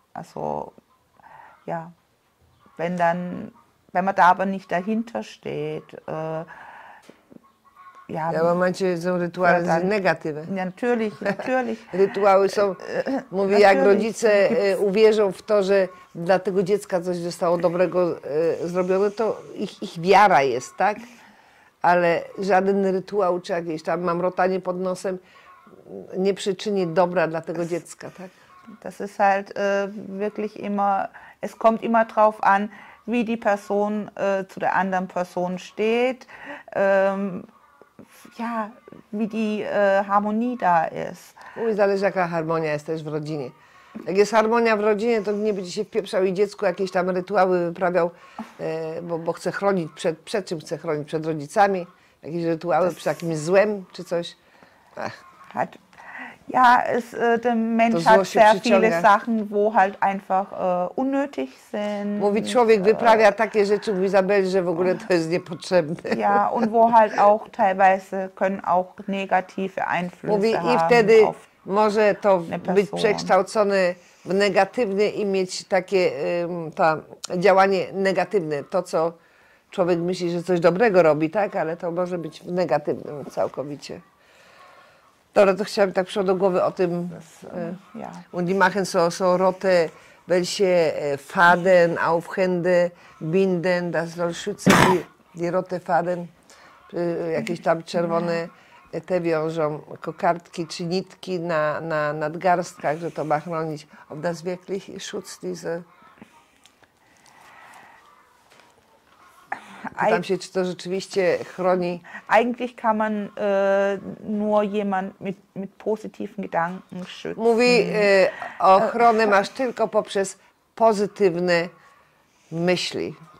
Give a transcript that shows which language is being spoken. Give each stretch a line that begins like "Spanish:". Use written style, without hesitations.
German: Also, ja, wenn dann, wenn man da aber nicht dahinter steht, ja. Ja, aber manche so Rituale sind negative. Ja, natürlich, natürlich.
Polish: Rituale są, mówi, jak rodzice uwierzą w to, że dla tego dziecka coś zostało dobrego zrobione, to ich wiara jest, tak? Ale żaden rytuał czy jakieś tam mamrotanie pod nosem nie przyczyni dobra dla tego dziecka, tak?
German: Das ist halt wirklich immer, es kommt immer drauf an, wie die Person zu der anderen Person steht, ja, wie die Harmonie da ist.
Polish: Uj, zależy, jaka harmonia jest też w rodzinie. Jak jest harmonia w rodzinie, to nie będzie się wpieprzał i dziecku jakieś tam rytuały wyprawiał, bo chce chronić, przed czym chce chronić? Przed rodzicami? Jakieś rytuały, przed jakimś złem czy coś? Ach.
German: Hat, ja, es, der Mensch hat sehr viele Sachen, wo halt einfach unnötig sind.
Polish: Mówi, człowiek wyprawia takie rzeczy, mówi Isabel, że w ogóle to jest niepotrzebne.
German: Ja, und wo halt auch teilweise können auch negative Einflüsse
Polish: mówi,
German: haben.
Polish: I wtedy może to być przekształcone w negatywne i mieć takie to działanie negatywne. To, co człowiek myśli, że coś dobrego robi, tak? Ale to może być w negatywnym całkowicie. Dobra, to chciałabym tak przyszło do głowy o tym.
German: Und die machen so rote, welche Faden auf Hände binden, das soll schützen die rote Faden.
Polish: Jakieś tam czerwone. Te wiążą kokardki czy nitki na nadgarstkach, że to ma chronić.
German: Ob das wirklich schutz diese.
Polish: Pytam się, czy to rzeczywiście chroni.
German: Eigentlich kann man nur jemand mit positiven Gedanken schützen.
Polish: Mówi, ochronę masz tylko poprzez pozytywne myśli.